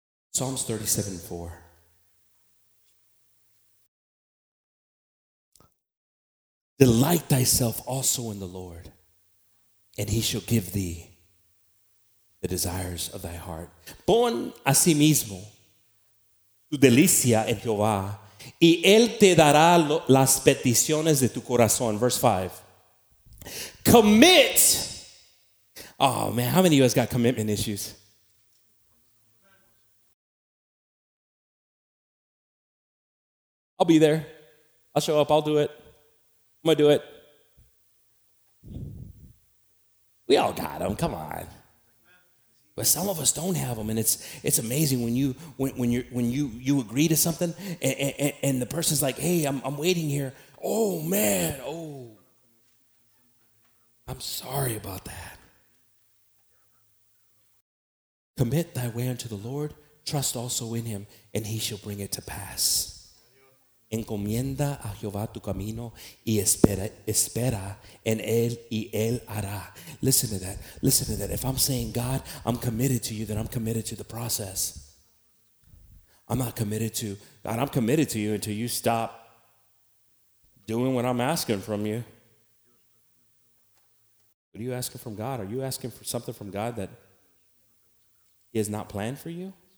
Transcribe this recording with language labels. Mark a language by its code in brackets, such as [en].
[en] Psalms 37:4. Delight thyself also in the Lord, and he shall give thee the desires of thy heart. [es] Pon a sí mismo tu delicia en Jehová, y él te dará las peticiones de tu corazón. [en] Verse 5. Commit. Oh, man, how many of you has got commitment issues? I'll be there. I'll show up. I'll do it. I'm going to do it. We all got them. Come on. But some of us don't have them. And it's amazing when you agree to something and the person's like, hey, I'm waiting here. Oh, man. Oh, I'm sorry about that. Commit thy way unto the Lord. Trust also in him, and he shall bring it to pass. [es] Encomienda a Jehová tu camino y espera en él y él hará. [en] Listen to that. Listen to that. If I'm saying God, I'm committed to you, then I'm committed to the process. I'm not committed to God. I'm committed to you until you stop doing what I'm asking from you. What are you asking from God? Are you asking for something from God that he has not planned for you?